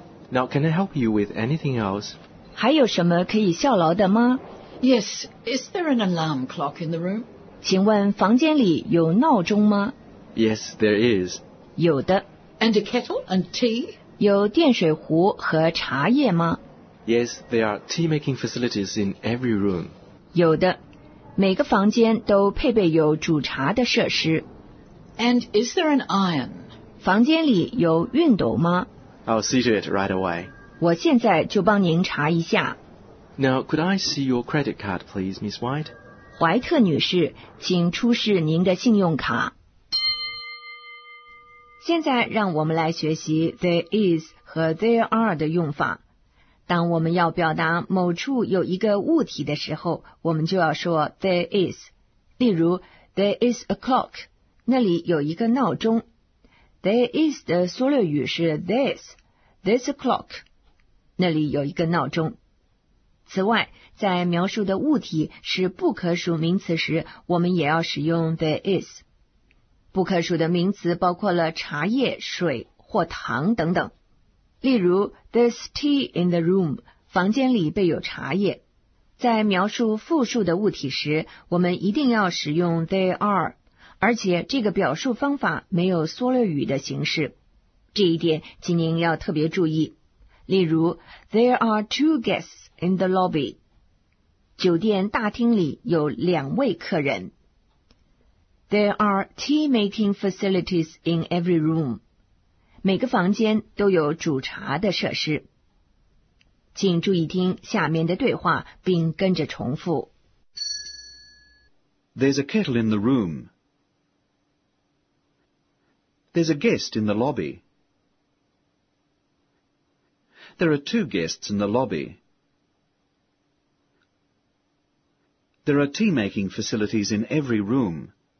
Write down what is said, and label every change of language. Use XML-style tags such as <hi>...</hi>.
<en>Now, can I help you with anything else?</en> <zh>还有什么可以效劳的吗</zh> <en>?Yes, is there an alarm clock in the room?</en> <zh>请问房间里有闹钟吗</zh> <en>?Yes, there is.</en> <zh>有的。</zh> <en>And a kettle and tea?</en> <zh>有电水壶和茶叶吗</zh> <en>?Yes, there are tea making facilities in every room.</en> <zh>有的。每个房间都配备有煮茶的设施。</zh> <en>And is there an iron?</en> <zh>房间里有熨斗吗</zh> <en>?I'll see to it right away.</en> <zh>我现在就帮您查一下。</zh> <en>Now, could I see your credit card, please, Miss White?</en> <zh>怀特女士，请出示您的信用卡。现在让我们来学习 there is 和 there are 的用法。当我们要表达某处有一个物体的时候，我们就要说 there is。例如 ,</zh> <en>there is a clock,</en> <zh>那里有一个闹钟。</zh> <en>There is</en> <zh>的缩略语是</zh> <en>this,this a clock。</en> <zh>那里有一个闹钟。此外，在描述的物体是不可数名词时，我们也要使用 there is。不可数的名词包括了茶叶、水或糖等等。例如</zh> <en>,there's tea in the room,</en> <zh>房间里备有茶叶。在描述复数的物体时，我们一定要使用 there are, 而且这个表述方法没有缩略语的形式。这一点请您要特别注意。例如</zh> <en>,there are two guests in the lobby.</en> <zh>酒店大厅里有两位客人。</zh> <en>There are tea making facilities in every room.</en> <zh>每个房间都有煮茶的设施。请注意听下面的对话并跟着重复。</zh> <en>There's a kettle in the room. There's a guest in the lobby. There are two guests in the lobby. There are tea-making facilities in every room.</en>